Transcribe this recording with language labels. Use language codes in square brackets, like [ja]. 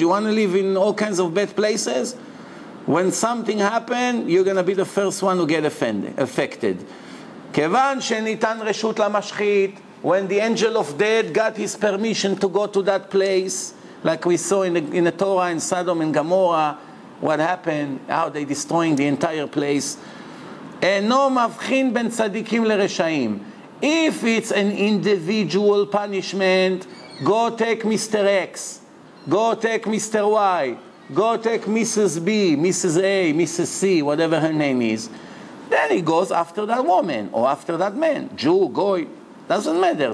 [en] You want to live in all kinds of bad places? When something happens, you're going to be the first one to get affected. [he] Kevan shenitan reshut lamashchit. [en] When the angel of death got his permission to go to that place, like we saw in the Torah, in Sodom and Gomorrah, what happened, how they destroying the entire place. [he] אינו מבחין בין צדיקים לרשעים. [en] If it's an individual punishment, go take Mr. X, go take Mr. Y, go take Mrs. B, Mrs. A, Mrs. C, whatever her name is. Then he goes after that woman or after that man, Jew, Goy. Doesn't matter.